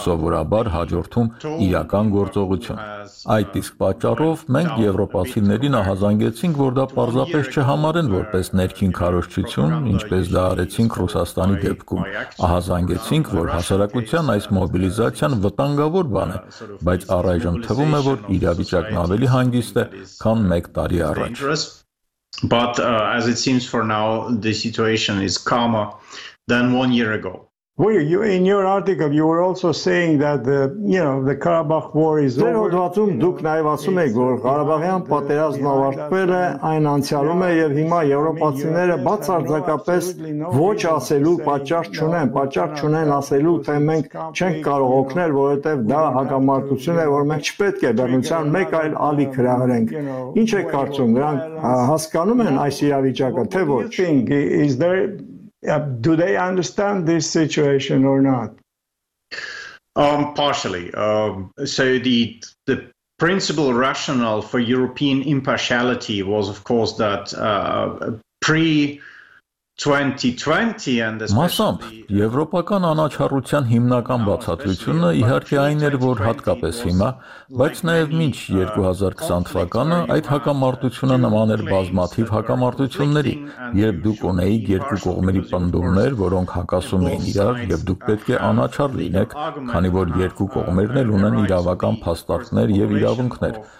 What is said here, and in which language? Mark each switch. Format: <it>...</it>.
<hy>սովորաբար հաջորդում իրական գործողություն։ Այդ իսկ պատճառով մենք եվրոպացիներին ահազանգեցինք, որ դա պարզապես չհամարեն որպես ներքին քարոշչություն, ինչպես դա արեցինք Ռուսաստանի դեպքում։ Ահազանգեցինք, որ հասարակության այս մոբիլիզացիան վտանգավոր բան է, բայց առայժմ թվում է, որ իրավիճակն ավելի հանգիստ է, քան մեկ տարի առաջ։</hy> <en>But as it seems for now, the situation is calmer than 1 year ago. Well, you, in your article, you were also saying that the, you know, the Karabakh war is over.</en> <hy>Դեռ ոդվացում դուք նաև ասում եք, որ Ղարաբաղյան պատերազմն ավարտվել է, այն անցյալում է եւ հիմա եվրոպացիները բացարձակապես ոչ ասելու պատճառ չունեն, ասելու, թե մենք չենք կարող օգնել, որովհետեւ դա հակամարտություն է, որ մենք չպետք է բռնության մեկ այլ ալի հրահրենք։ Ինչ եք կարծում, դրանք հասկանում են այս իրավիճակը, թե ոչ։</hy> <en>Is there do they understand this situation or not? Partially. So the principal rationale for European impartiality was, of course, that pre 2020 and</en> <hy>մասամբ եվրոպական անաչառության հիմնական բացատրությունը իհարկե այն էր, որ հատկապես հիմա, բայց նաև մինչ 2020 թվականը այդ հակամարտությունը նման էր բազմաթիվ հակամարտությունների, երբ դուք ունեիք երկու կողմերի պնդումներ, որոնք հակասում էին իրար, եւ դուք պետք է անաչառ լինեք, քանի որ երկու կողմերն էլ ունեն իրավական փաստարկներ եւ իրավունքներ։</hy>